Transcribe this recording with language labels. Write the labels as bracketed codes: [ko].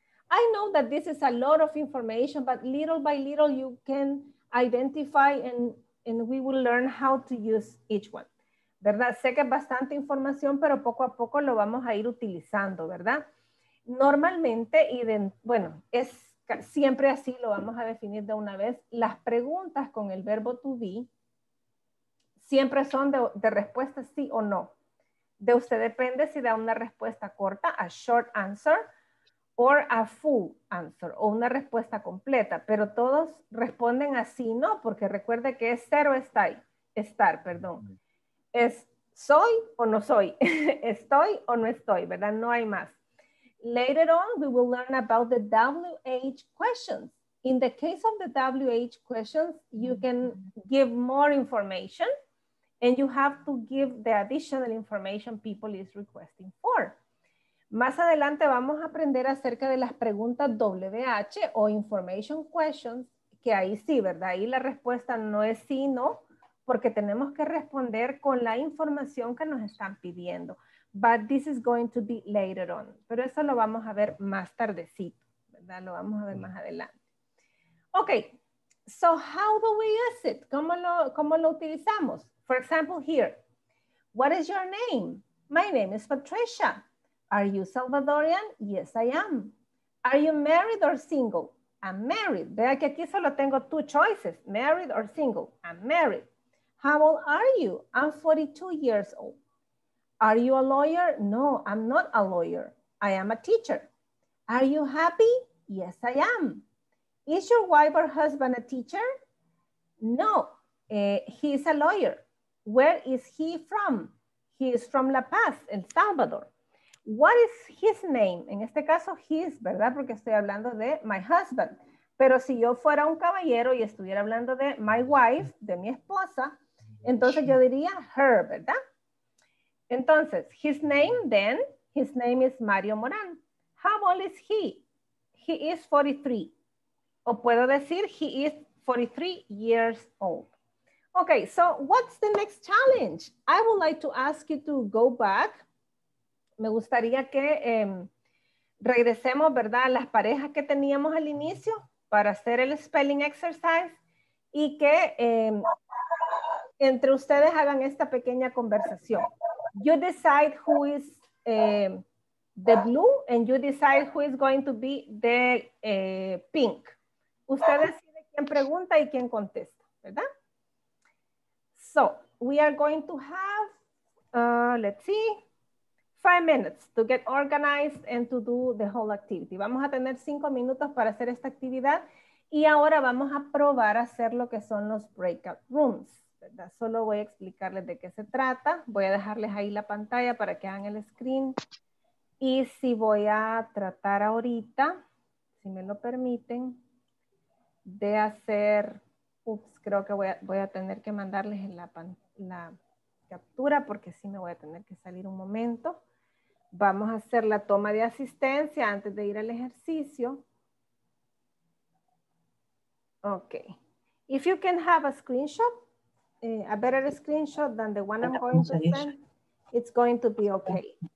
[en] I know that this is a lot of information, but little by little you can identify and we will learn how to use each one. [es] ¿Verdad? Sé que es bastante información, pero poco a poco lo vamos a ir utilizando, ¿verdad? Normalmente, y de, bueno, es siempre así, lo vamos a definir de una vez, las preguntas con el verbo to be siempre son de respuesta sí o no. De usted depende si da una respuesta corta, [en] a short answer, or a full answer, [es] o una respuesta completa, pero todos responden así, ¿no? Porque recuerde que es ser o estar, perdón. Es soy o no soy, estoy o no estoy, ¿verdad? No hay más. [en] Later on, we will learn about the WH questions. In the case of the WH questions, you can give more information and you have to give the additional information people is requesting for. [es] Más adelante vamos a aprender acerca de las preguntas WH o information questions, que ahí sí, ¿verdad? Ahí la respuesta no es sí, no, porque tenemos que responder con la información que nos están pidiendo. [en] But this is going to be later on. [es] Pero eso lo vamos a ver más tardecito, ¿verdad? Lo vamos a ver más adelante. [en] Okay, so how do we use it? [es] ¿Cómo lo utilizamos? [en] For example, here. What is your name? My name is Patricia. Are you Salvadorian? Yes, I am. Are you married or single? I'm married. [es] Vea que aquí solo tengo [en] two choices, married or single. I'm married. How old are you? I'm 42 years old. Are you a lawyer? No, I'm not a lawyer. I am a teacher. Are you happy? Yes, I am. Is your wife or husband a teacher? No, he is a lawyer. Where is he from? He is from La Paz, El Salvador. What is his name? [es] En este caso, his, ¿verdad? Porque estoy hablando de my husband. Pero si yo fuera un caballero y estuviera hablando de my wife, de mi esposa, entonces yo diría her, ¿verdad? Entonces, his name then, [en] his name is Mario Morán. How old is he? He is 43. [es] O puedo decir [en] he is 43 years old. Okay, so what's the next challenge? I would like to ask you to go back. [es] Me gustaría que regresemos, ¿verdad? A las parejas que teníamos al inicio para hacer el spelling exercise y que entre ustedes hagan esta pequeña conversación. [en] You decide who is the blue and you decide who is going to be the pink. [es] Usted decide quién pregunta y quién contesta, ¿verdad? [en] So, we are going to have, let's see, 5 minutes to get organized and to do the whole activity. [es] Vamos a tener 5 minutos para hacer esta actividad y ahora vamos a probar a hacer lo que son los breakout rooms, ¿verdad? Solo voy a explicarles de qué se trata. Voy a dejarles ahí la pantalla para que hagan el screen. Y si voy a tratar ahorita, si me lo permiten, de hacer, ups, creo que voy a tener que mandarles en la captura porque sí me voy a tener que salir un momento. Vamos a hacer la toma de asistencia antes de ir al ejercicio. [en] Ok. If you can have a screenshot, a better screenshot than the one I'm going to send, it's going to be okay.